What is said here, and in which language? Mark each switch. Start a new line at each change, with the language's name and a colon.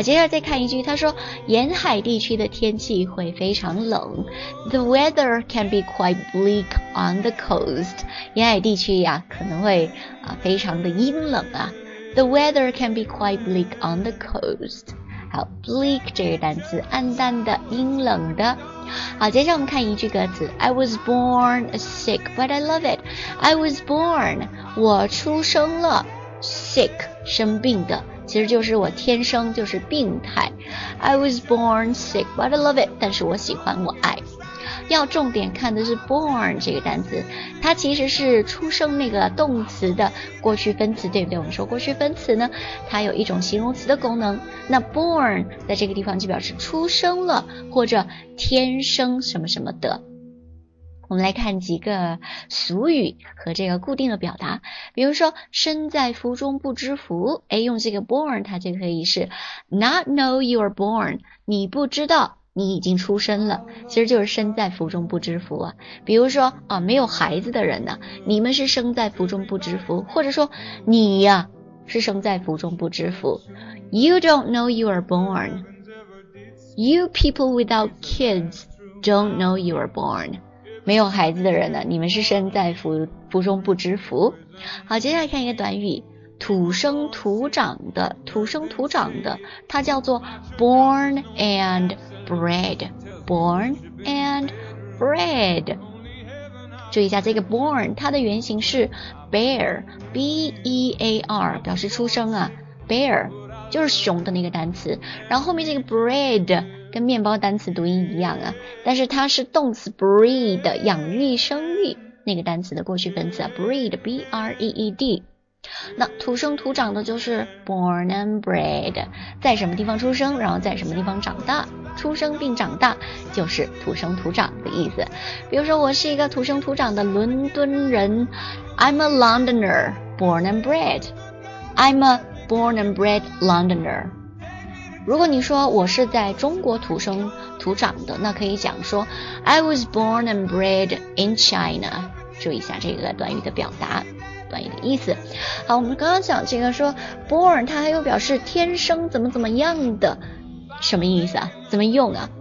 Chinese: 接下来再看一句，他说沿海地区的天气会非常冷。
English: The weather can be quite bleak on the coast。
Chinese: 沿海地区呀、可能会非常的阴冷啊。
English: The weather can be quite bleak on the coast。
Chinese: 好， bleak 这个单词，暗淡的，阴冷的。好，接下来我们看一句歌词，
English: I was born sick but I love it。 I was born，
Chinese: 我出生了。 Sick， 生病的，其实就是我天生就是病态。
English: I was born sick but I love it，
Chinese: 但是我喜欢我爱。要重点看的是 born 这个单词，它其实是出生那个动词的过去分词，对不对？我们说过去分词呢，它有一种形容词的功能，那 born 在这个地方就表示出生了或者天生什么什么的。我们来看几个俗语和这个固定的表达，比如说身在福中不知福，哎，用这个 born 它就可以是
English: not know you are born，
Chinese: 你不知道你已经出生了，其实就是身在福中不知福啊。比如说啊，没有孩子的人呢、你们是生在福中不知福，或者说你呀、是生在福中不知福。
English: You don't know you are born. You people without kids don't know you are born.
Chinese: 没有孩子的人呢，你们是身在福中不知福。好，接下来看一个短语，土生土长的，土生土长的，它叫做
English: born and bred，
Chinese: born and bred。注意一下这个 born， 它的原型是 bear， b e a r， 表示出生啊， bear 就是熊的那个单词，然后后面这个 bred。跟面包单词读音一样啊，但是它是动词 breed， 养育生育那个单词的过去分词啊， breed B-R-E-E-D。那土生土长的就是
English: born and bred，
Chinese: 在什么地方出生然后在什么地方长大，出生并长大就是土生土长的意思。比如说我是一个土生土长的伦敦人，
English: I'm a Londoner born and bred， I'm a born and bred Londoner。
Chinese: 如果你说我是在中国土生土长的，那可以讲说
English: I was born and bred in China。
Chinese: 注意一下这个短语的表达，短语的意思。好，我们刚刚讲这个说 born 它还有表示天生怎么怎么样的什么意思啊？怎么用啊？